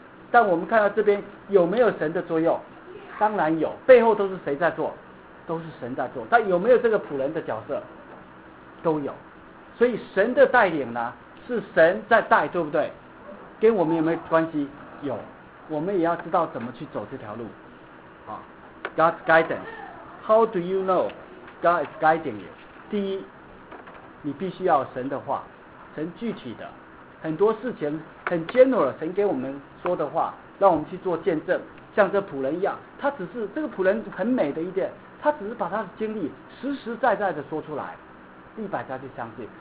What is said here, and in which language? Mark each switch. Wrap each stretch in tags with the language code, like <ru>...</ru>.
<zh>但我们看到这边有没有神的作用？当然有，背后都是谁在做？都是神在做。但有没有这个仆人的角色？都有。所以神的带领呢，是神在带，对不对？跟我们有没有关系？有。我们也要知道怎么去走这条路啊。</zh> <en>God's guidance， How do you know God is guiding you？</en> <zh>第一，你必须要神的话，神具体的很多事情很 general， 神给我们说的话，让我们去做见证。像这仆人一样，他只是这个仆人很美的一点，他只是把他的经历实实在在的说出来，利百加就相信。</zh>